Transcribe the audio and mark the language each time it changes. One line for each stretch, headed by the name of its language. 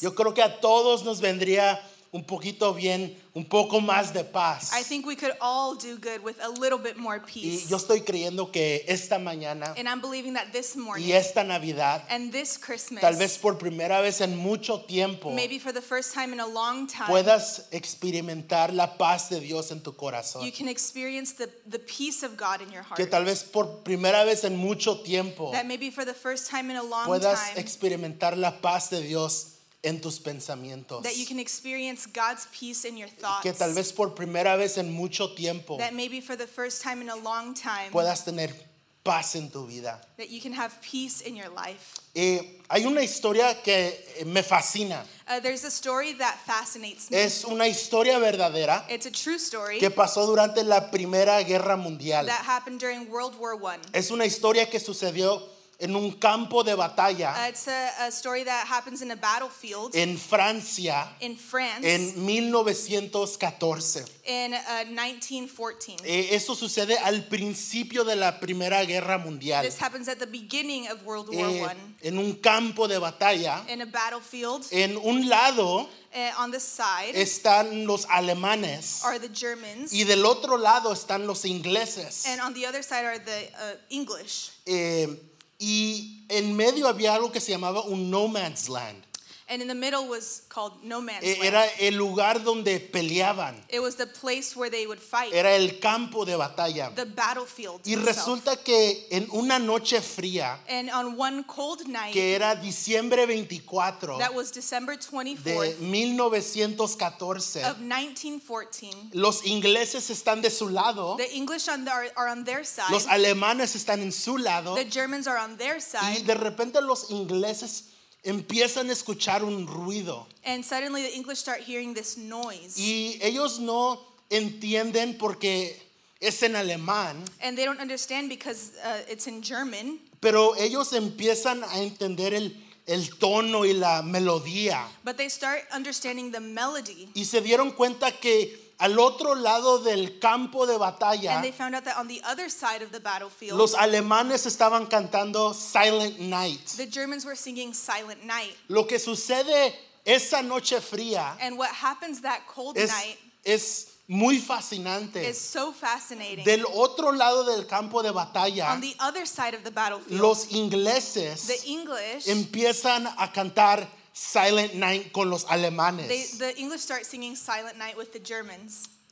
Spanish: Yo creo que a todos nos vendría un poquito bien, un poco más de paz.
English: I think we could all do good with a little bit more peace.
Spanish: Y yo estoy creyendo que esta mañana,
English: and I'm believing that this morning,
Spanish: y esta Navidad,
English: and this Christmas,
Spanish: tal vez por primera vez en mucho tiempo,
English: maybe for the first time in a long time,
Spanish: puedas experimentar la paz de Dios en tu corazón.
English: You can experience the peace of God in your heart.
Spanish: Que tal vez por primera vez en mucho tiempo,
English: that maybe for the first time in a long
Spanish: puedas
English: time,
Spanish: experimentar la paz de Dios en tus pensamientos.
English: That you can experience God's peace in your thoughts.
Spanish: Que tal vez por primera vez en mucho tiempo,
English: that maybe for the first time in a long time,
Spanish: puedas tener paz en tu vida.
English: That you can have peace in your life.
Spanish: Hay una historia que me fascina.
English: There's a story that fascinates me.
Spanish: Es una historia verdadera.
English: It's a true story.
Spanish: Que pasó durante la Primera Guerra Mundial.
English: That happened during World War I.
Spanish: Es una historia que sucedió en un campo de batalla.
English: It's a story that happens in a battlefield.
Spanish: En Francia.
English: In France.
Spanish: En 1914.
English: In 1914.
Spanish: Esto sucede al principio de la Primera Guerra Mundial.
English: This happens at the beginning of World War I.
Spanish: En un campo de batalla.
English: In a battlefield.
Spanish: En un lado.
English: On the side.
Spanish: Están los alemanes.
English: Are the Germans.
Spanish: Y del otro lado están los ingleses.
English: And on the other side are the English.
Spanish: Y en medio había algo que se llamaba un no man's land.
English: And in the middle was called no man's land.
Spanish: Era el lugar donde peleaban.
English: It was the place where they would fight.
Spanish: Era el campo de batalla.
English: The battlefield.
Spanish: Y resulta que en una noche fría,
English: and on one cold night,
Spanish: que era diciembre 24,
English: that was December 24th,
Spanish: de 1914,
English: of 1914,
Spanish: los ingleses están de su lado.
English: The English are on their side.
Spanish: Los alemanes están en su lado.
English: The Germans are on their side.
Spanish: Y de repente los ingleses empiezan a escuchar un ruido.
English: And suddenly the English start hearing this noise.
Spanish: Y ellos no entienden porque es en alemán.
English: And they don't understand because it's in German.
Spanish: Pero ellos empiezan a entender el tono y la melodía.
English: But they start understanding the melody.
Spanish: Y se dieron cuenta que al otro lado del campo de batalla,
English: and they found out that on the other side of the battlefield,
Spanish: los alemanes estaban cantando Silent Night.
English: The Germans were singing Silent Night.
Spanish: Lo que sucede esa noche fría,
English: and what happens that cold night,
Spanish: es muy fascinante.
English: Is so fascinating.
Spanish: Del otro lado del campo de batalla,
English: on the other side of the battlefield,
Spanish: los ingleses,
English: the English,
Spanish: empiezan a cantar Silent Night con los alemanes.
English: The English start singing Silent Night with the Germans.